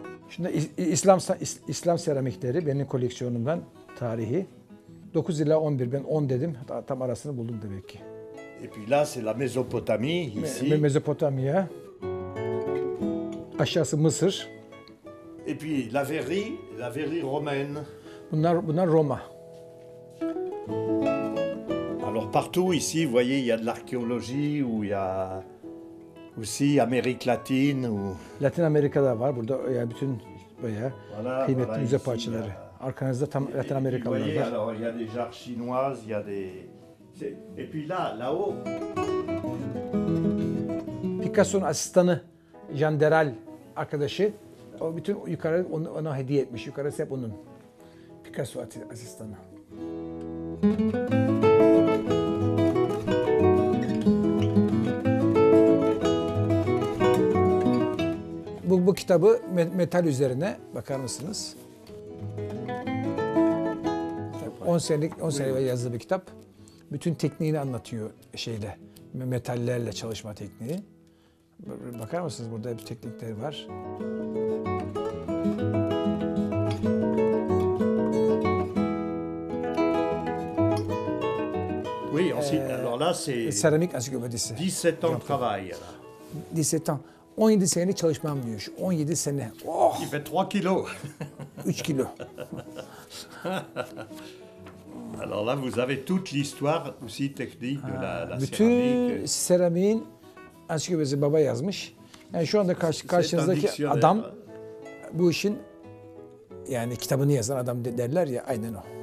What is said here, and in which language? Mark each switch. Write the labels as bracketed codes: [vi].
[tr] Şimdi İslam seramikleri benim koleksiyonumdan tarihi 9 ila 11 ben 10 dedim tam arasını buldum demek ki. [fr] Et puis là c'est la Mésopotamie ici. [tr] Mezopotamya. Aşağısı Mısır. [fr] Et puis la verrerie romaine. [tr] Bunlar Roma. [fr] Alors partout ici, vous voyez, il y a de l'archéologie ou il y a aussi Amérique latine ou [tr] Latin Amerika'da var. Burada ya yani bütün bayağı kıymetli müze parçaları. Arkanızda tam Latin Amerika'lılar var. [fr] Et puis il y a des jarres chinoises, il y a des Et puis là, là-haut. [tr] Picasso'nun asistanı Jean Deral arkadaşı, o bütün yukarı ona hediye etmiş. Yukarısı hep onun. Picasso asistanı. (Gülüyor) bu kitabı metal üzerine bakar mısınız? 10 senelik yazdığı bir kitap. Bütün tekniğini anlatıyor şeyde. Metallerle çalışma tekniği. Bakar mısınız, burada bir teknikleri var. [fr] Oui, ensuite alors là c'est céramique encyclopédie. 17 ans de travail là. [tr] 17 ans. 17 sene çalışmam diyor şu. 17 sene. Oh! [fr] Il fait 3 kilos. [tr] 3 kilo. [fr] Alors là vous avez toute l'histoire aussi technique de la céramique. [tr] Bütün seramiğin ansiklopedisi baba yazmış. Yani şu anda karşınızdaki adam bu işin yani kitabını yazan adam derler ya, aynen o.